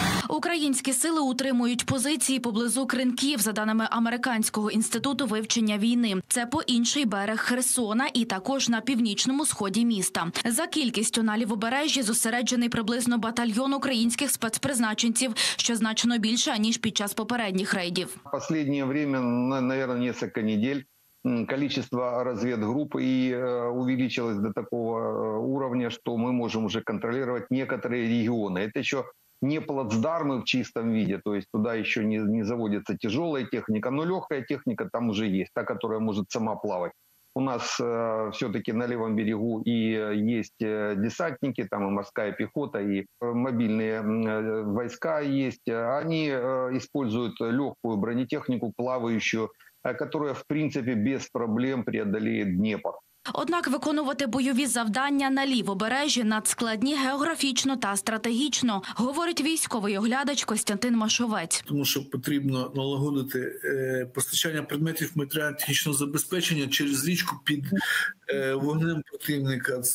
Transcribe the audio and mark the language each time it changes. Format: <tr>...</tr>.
<uk>Українські сили утримують позиції поблизу Кринків, за даними Американського інституту вивчення війни. Це по інший берег Херсона і також на північному сході міста. За кількістю на лівобережжі зосереджений приблизно батальйон українських спецпризначенців, що значно більше, ніж під час попередніх рейдів. Останнє час, мабуть, кілька тижнів.</uk> <ru>Количество разведгрупп и увеличилось до такого уровня, что мы можем уже контролировать некоторые регионы. Это еще не плацдармы в чистом виде, то есть туда еще не заводится тяжелая техника, но легкая техника там уже есть, та, которая может сама плавать. У нас все-таки на левом берегу и есть десантники, там и морская пехота, и мобильные войска есть. Они используют легкую бронетехнику, плавающую, которая, в принципе, без проблем преодолеет Днепр.</ru> <uk>Однак виконувати бойові завдання на лівобережжі надскладні географічно та стратегічно, говорить військовий оглядач Костянтин Машовець. Тому що потрібно налагодити постачання предметів матеріально-технічного забезпечення через річку під вогнем противника.</uk>